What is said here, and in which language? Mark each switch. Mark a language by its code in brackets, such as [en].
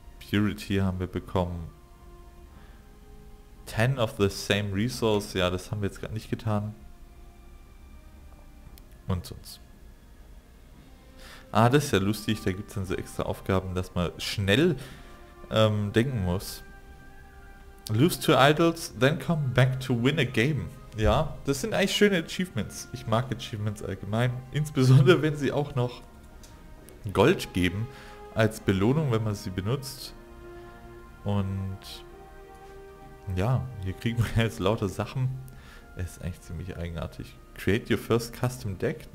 [de] Purity haben wir bekommen. [en] 10 of the same resource. [de] Ja, das haben wir jetzt gerade nicht getan. Und sonst. Ah, das ist ja lustig. Da gibt es dann so extra Aufgaben, dass man schnell denken muss. [en] Lose two idols, then come back to win a game. [de] Ja, das sind eigentlich schöne Achievements. Ich mag Achievements allgemein. Insbesondere, wenn sie auch noch Gold geben als Belohnung, wenn man sie benutzt. Und ja, hier kriegen wir jetzt lauter Sachen. Das ist eigentlich ziemlich eigenartig. [en] Create your first custom deck.